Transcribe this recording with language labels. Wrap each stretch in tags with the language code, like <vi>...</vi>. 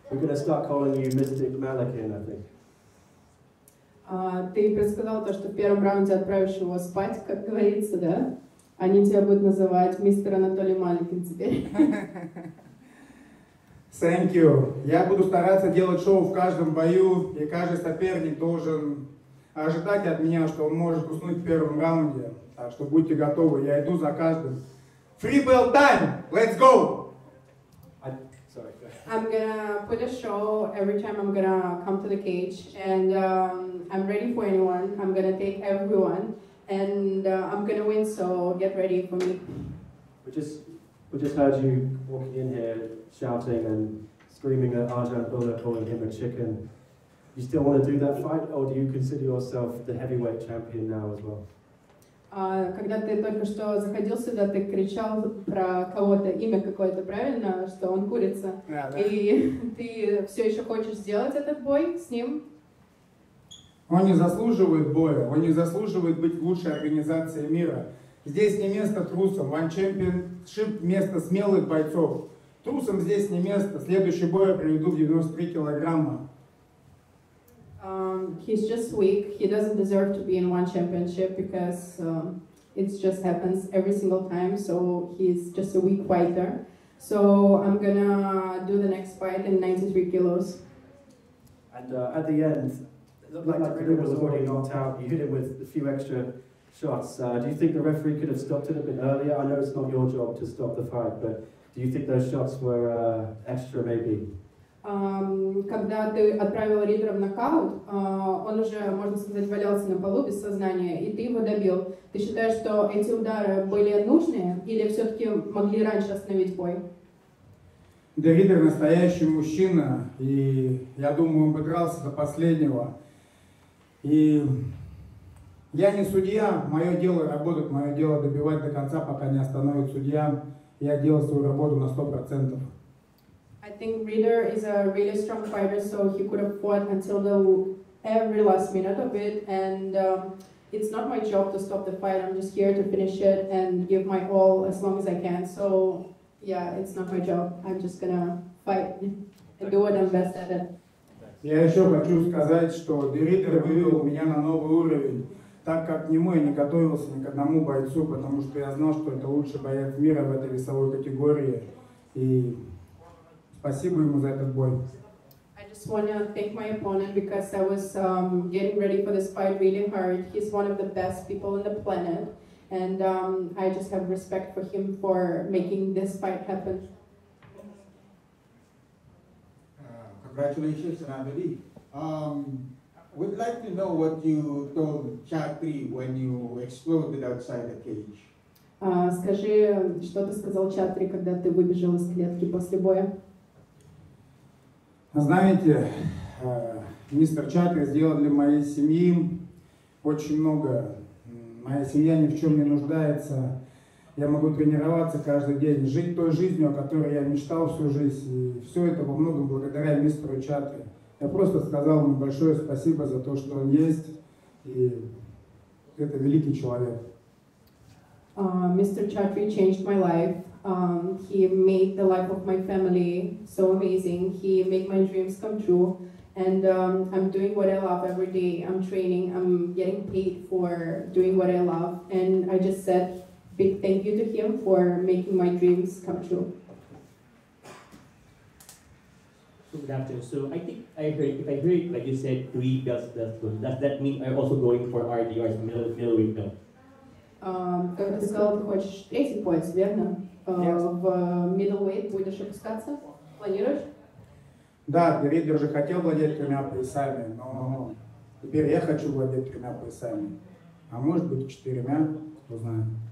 <en>We're going to start calling you Mystic Malykhin, I think.</en> <ru>Ты предсказал то, что в первом раунде отправишь его спать, как говорится, да? Они тебя будут называть мистер Анатолий Малькин теперь.</ru> <en>Thank you.</en> <ru>Я буду стараться делать шоу в каждом бою, и каждый соперник должен ожидать от меня, что он может уснуть в первом раунде. Так что будьте готовы, я иду за каждым.</ru> <en>Free bell time! Let's go! I'm gonna put a show every time I'm gonna come to the cage, and I'm ready for anyone. I'm gonna take everyone, and I'm gonna win. So get ready for me. We just heard you walking in here, shouting and screaming at Arjan Buller, calling him a chicken. You still want to do that fight, or do you consider yourself the heavyweight champion now as well?</en> <ru>Когда ты только что заходил сюда, ты кричал про кого-то, имя какое-то, правильно, что он курица.</ru> <en>Yeah,</en> <ru>и ты все еще хочешь сделать этот бой с ним? Он не заслуживает боя, он не заслуживает быть лучшей организацией мира. Здесь не место трусам, One Championship место смелых бойцов. Трусам здесь не место, следующий бой я приведу в 93 килограмма.</ru> <en>He's just weak. He doesn't deserve to be in one championship because it just happens every single time. So he's just a weak fighter. So I'm gonna do the next fight in 93 kilos. And at the end, it looked like the ref was already knocked out. You hit him with a few extra shots. Do you think the referee could have stopped it a bit earlier? I know it's not your job to stop the fight, but do you think those shots were extra maybe?</en> <ru>Когда ты отправил Риддера в нокаут, он уже, можно сказать, валялся на полу без сознания, и ты его добил. Ты считаешь, что эти удары были нужные или все-таки могли раньше остановить бой? Де Риддер настоящий мужчина, и я думаю, он бы дрался до последнего. И я не судья, мое дело работать, мое дело добивать до конца, пока не остановит судья. Я делал свою работу на 100%.</ru> <en>I think Ridder is a really strong fighter, so he could have fought until the every last minute of it. And it's not my job to stop the fight. I'm just here to finish it and give my all as long as I can. So yeah, it's not my job. I'm just gonna fight and do what I'm best at.</en> <ru>Я еще хочу сказать, что Ридер вывел меня на новый уровень, так как к нему я не готовился ни к одному бойцу, потому что я знал, что это лучший боец мира в этой весовой категории. И спасибо ему за этот бой.</ru> <en>I just want to thank my opponent because I was getting ready for this fight really hard. He's one of the best people on the planet. And I just have respect for him for making this fight happen. Congratulations, Anatoliy. We'd like to know what you told Chatri when you exploded outside the cage.</en> <ru>Скажи, что ты сказал Чатри, когда ты выбежал из клетки после боя? Знаете, мистер Чатри сделал для моей семьи очень много. Моя семья ни в чем не нуждается. Я могу тренироваться каждый день, жить той жизнью, о которой я мечтал всю жизнь. И все это во многом благодаря мистеру Чатри. Я просто сказал ему большое спасибо за то, что он есть. И это великий человек.</ru> <en>Мистер Чатри changed my life. He made the life of my family so amazing. He made my dreams come true. And I'm doing what I love every day. I'm training, I'm getting paid for doing what I love. And I just said big thank you to him for making my dreams come true. Good afternoon. So I think I heard, if I heard it, like you said, three belts, does that mean I'm also going for RDR's middleweight belt?</en> <ru>Как ты сказал, ты хочешь третий пояс, верно? В middleweight будешь опускаться? Планируешь? Да, Ридер уже хотел владеть тремя поясами, но теперь я хочу владеть тремя поясами. А может быть четырьмя, кто знает.</ru>